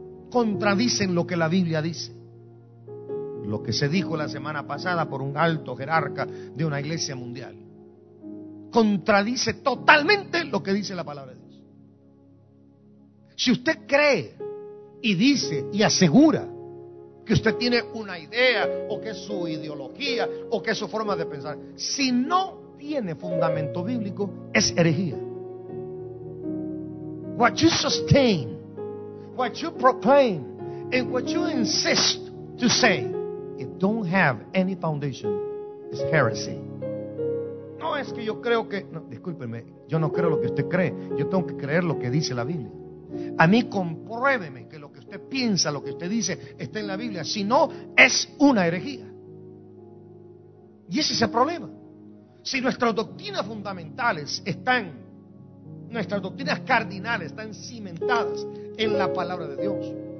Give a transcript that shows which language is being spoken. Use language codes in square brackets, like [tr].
[es] Contradicen lo que la Biblia dice. Lo que se dijo la semana pasada por un alto jerarca de una iglesia mundial contradice totalmente lo que dice la palabra de Dios. Si usted cree y dice y asegura que usted tiene una idea, o que es su ideología, o que es su forma de pensar, si no tiene fundamento bíblico, es herejía. [en] What you sustain, what you proclaim, and what you insist to say, it don't have any foundation, it's heresy. [es] No es que yo creo que... No, discúlpeme, yo no creo lo que usted cree. Yo tengo que creer lo que dice la Biblia. A mí compruébeme que lo que usted piensa, lo que usted dice, está en la Biblia. Si no, es una herejía. Y ese es el problema. Si nuestras doctrinas fundamentales están... Nuestras doctrinas cardinales están cimentadas en la palabra de Dios.